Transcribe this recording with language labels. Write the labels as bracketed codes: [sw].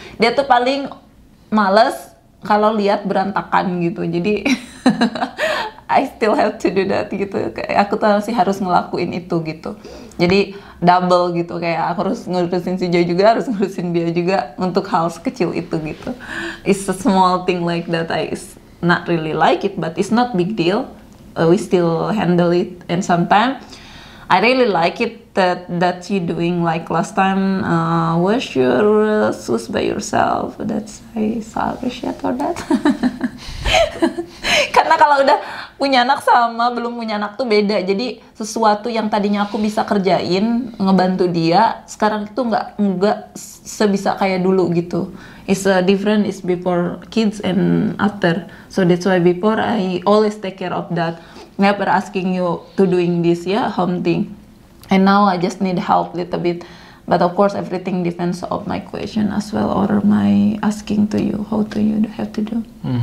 [id] Dia tuh paling males kalau lihat berantakan gitu. Jadi [en] I still have to do that [id] gitu. Kayak aku tuh masih harus ngelakuin itu gitu. Jadi double gitu, kayak aku harus ngurusin si Joy juga, harus ngurusin dia juga untuk hal sekecil itu gitu. [en] It's a small thing like that guys. Not really like it, but it's not big deal. We still handle it, and sometimes I really like it that you doing like last time. Wash your shoes by yourself. That's I so appreciate for that. [id] Karena kalau udah punya anak sama belum punya anak tuh beda. Jadi sesuatu yang tadinya aku bisa kerjain ngebantu dia, sekarang itu nggak sebisa kayak dulu gitu. [en] It's different. It's before kids and after. So that's why before I always take care of that. Never asking you to doing this, yeah, home thing. And now I just need help little bit. But of course, everything depends of my question as well or my asking to you how do you have to do. Mm-hmm.